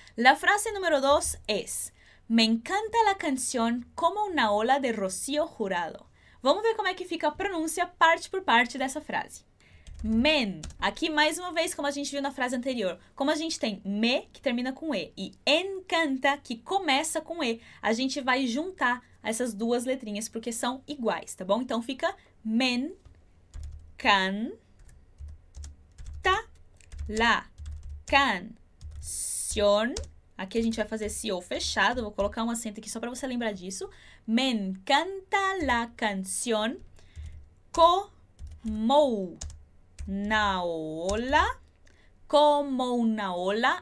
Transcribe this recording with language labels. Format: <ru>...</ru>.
<es>La frase número 2 es: me encanta la canción como una ola de Rocío Jurado.</es> <pt>Vamos ver como é que fica a pronúncia parte por parte dessa frase. Men, aqui mais uma vez, como a gente viu na frase anterior, como a gente tem me, que termina com E, e encanta, que começa com E, a gente vai juntar essas duas letrinhas, porque são iguais, tá bom? Então fica men can ta la can sion. Aqui a gente vai fazer esse O fechado, vou colocar um acento aqui só para você lembrar disso.</pt> <es>Men canta la canción como na ola, como na ola.</es>